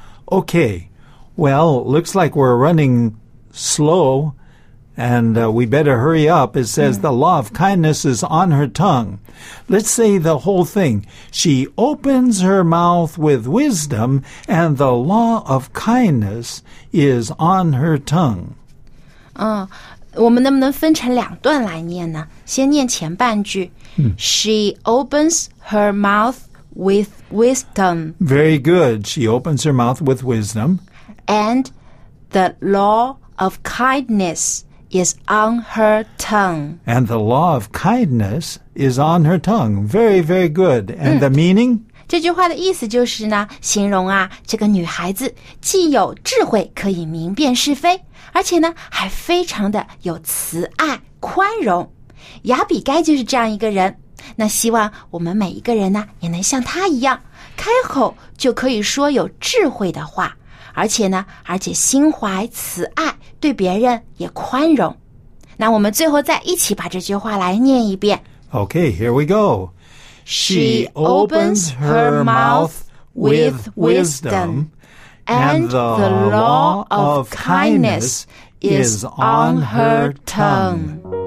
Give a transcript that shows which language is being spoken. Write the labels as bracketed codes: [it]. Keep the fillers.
[en] Okay, well, looks like we're running slow, and uh, we better hurry up. It says mm. the law of kindness is on her tongue. Let's say the whole thing. She opens her mouth with wisdom, and the law of kindness is on her tongue. Ah. [zh] Uh, 我们能不能分成两段来念呢？先念前半句、嗯、，She hmm. [en] opens her mouth with wisdom. Very good. She opens her mouth with wisdom. And the law of kindness. Is on her tongue, and the law of kindness is on her tongue. Very, very good. And、嗯、the meaning? [zh] 这句话的意思就是呢，形容啊，这个女孩子既有智慧，可以明辨是非，而且呢，还非常的有慈爱、宽容。雅比盖就是这样一个人。那希望我们每一个人呢，也能像她一样，开口就可以说有智慧的话。而且呢，而且心怀慈爱，对别人也宽容。那我们最后再一起把这句话来念一遍。 [en] Okay, here we go. She opens her mouth with wisdom, and the law of kindness is on her tongue.